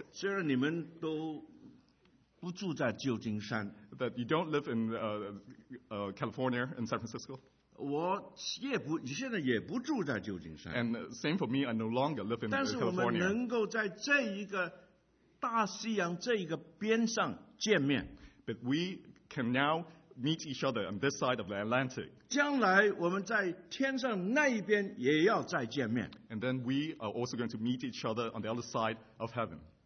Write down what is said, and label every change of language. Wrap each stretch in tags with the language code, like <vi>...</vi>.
<zh>虽然你们都不住在旧金山,</zh> <en>that you don't live in California, in San Francisco.</en> <zh>我现在也不住在旧金山。And</zh> <en>same for me, I no longer live in California.</en> <zh>但是我们能够在这一个大西洋这一个边上见面。</zh> <en>But we can now meet each other on this side of the Atlantic.</en> <zh>将来我们在天上那一边也要再见面。And</zh> <en>then we are also going to meet each other on the other side of heaven.</en>